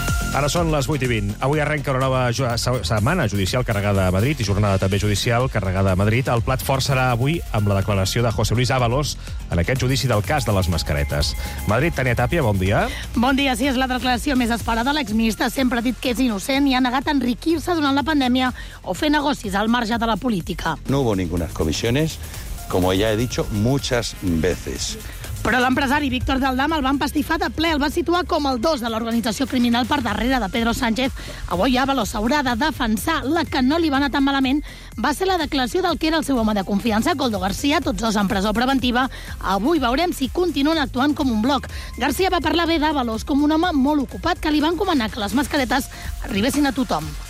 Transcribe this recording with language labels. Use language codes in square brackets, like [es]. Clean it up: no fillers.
[ca] Ara són les 8 i 20. Avui arrenca una nova setmana judicial carregada a Madrid i jornada també judicial carregada a Madrid. El plat fort serà avui amb la declaració de José Luis Ábalos en aquest judici del cas de les mascaretes. Madrid, Tania Tàpia, bon dia. Bon dia, sí, és la declaració més esperada. L'exministre sempre ha dit que és innocent i ha negat enriquir-se durant la pandèmia o fer negocis al marge de la política. [es] No hubo ninguna comisiones, como ya he dicho muchas veces. [ca] Però l'empresari Víctor Daldam el va empastifar de ple, el va situar com el 2 de l'organització criminal per darrere de Pedro Sánchez. Avui Ábalos haurà de defensar la que no li va anar tan malament. Va ser la declaració del que era el seu home de confiança, Koldo García, tots dos en presó preventiva. Avui veurem si continuen actuant com un bloc. García va parlar bé d'Ábalos com un home molt ocupat que li va encomanar que les mascaretes arribessin a tothom.